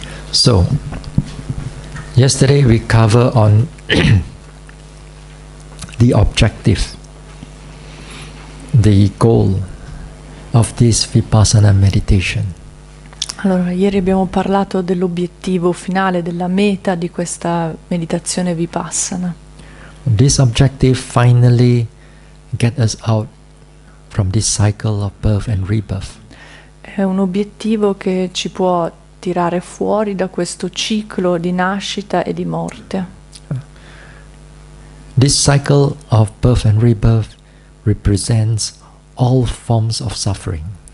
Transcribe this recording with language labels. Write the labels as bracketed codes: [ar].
[en] So, yesterday we covered on the objective, the goal of this Vipassana meditation. [it] Allora, ieri abbiamo parlato dell'obiettivo finale, della meta di questa meditazione Vipassana. [en] This objective finally get us out from this cycle of birth and rebirth. [it] È un obiettivo che ci può tirare fuori da questo ciclo di nascita e di morte. [en] This cycle of birth and rebirth represents all forms of suffering.